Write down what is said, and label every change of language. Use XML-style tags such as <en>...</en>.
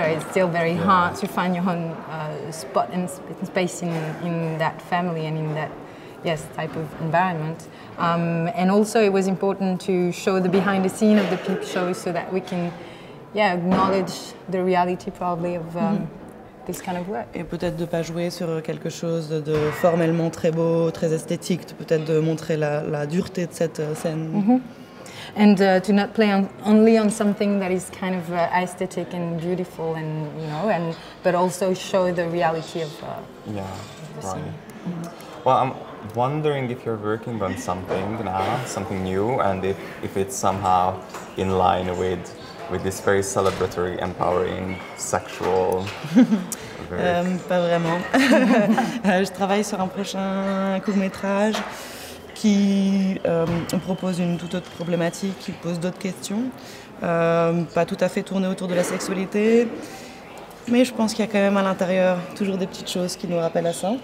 <en>It's still very hard to find your own spot and space in that family and in that. Yes, type of environment. And also it was important to show the behind the scene of the peep show so that we can acknowledge the reality probably of this kind of work.</en> <fr>Et peut-être de pas jouer sur quelque chose de formellement très beau, très esthétique, peut-être de montrer la dureté de cette scène.</fr> <en>And to not play only on something that is kind of aesthetic and beautiful and but also show the reality of the scene. Well, I'm wondering if you're working on something now, something new, and if it's somehow in line with this very celebratory, empowering, sexual.</en> <fr>Pas vraiment. Je travaille sur un prochain court-métrage qui propose une toute autre problématique, qui pose d'autres questions, pas tout à fait tournée autour de la sexualité. Mais je pense qu'il y a quand même à l'intérieur toujours des petites choses qui nous rappellent à ça.</fr>